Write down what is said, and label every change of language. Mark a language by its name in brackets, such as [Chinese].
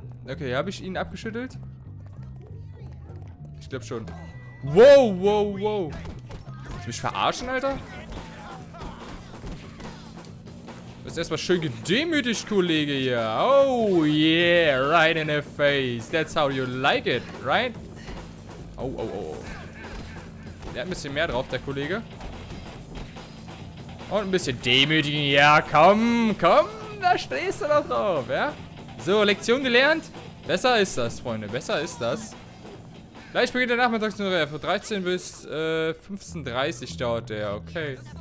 [German] Okay, habe ich ihn abgeschüttelt? Ich glaube schon. Wow, wow, wow! Willst du mich verarschen, Alter? Das ist erstmal schön gedemütigt, Kollege hier. [English] Oh yeah, right in the face. That's how you like it, right? Oh, oh, oh. [German] Der hat ein bisschen mehr drauf, der Kollege. Und ein bisschen demütigen. Ja, komm, komm. Da stehst du doch drauf, ja? So, Lektion gelernt. Besser ist das, Freunde. Besser ist das. Gleich beginnt der Nachmittagsunterricht. Von 13 bis 15.30 dauert der. Okay.